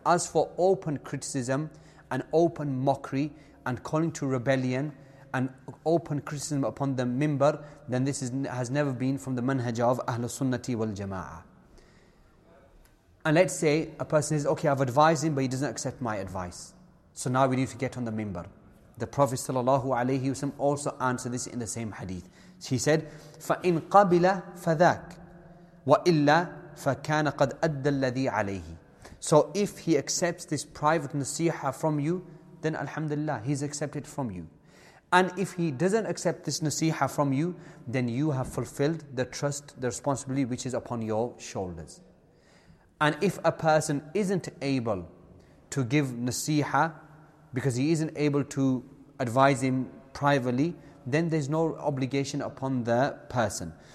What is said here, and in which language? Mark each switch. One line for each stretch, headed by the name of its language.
English: As for open criticism and open mockery and calling to rebellion and open criticism upon the minbar, then this has never been from the manhaj of Ahlul Sunnati wal Jama'ah. And let's say a person says, okay, I've advised him but he doesn't accept my advice. So now we need to get on the minbar. The Prophet sallallahu alaihi wasallam also answered this in the same hadith. He said,
Arabic: فَإِنْ قَبِلَ فَذَاكْ وَإِلَّا فَكَانَ قَدْ أَدَّ الَّذِي عَلَيْهِ.
English: So if he accepts this private nasiha from you, then alhamdulillah, he's accepted from you. And if he doesn't accept this nasiha from you, then you have fulfilled the trust, the responsibility which is upon your shoulders. And if a person isn't able to give nasiha because he isn't able to advise him privately, then there's no obligation upon the person.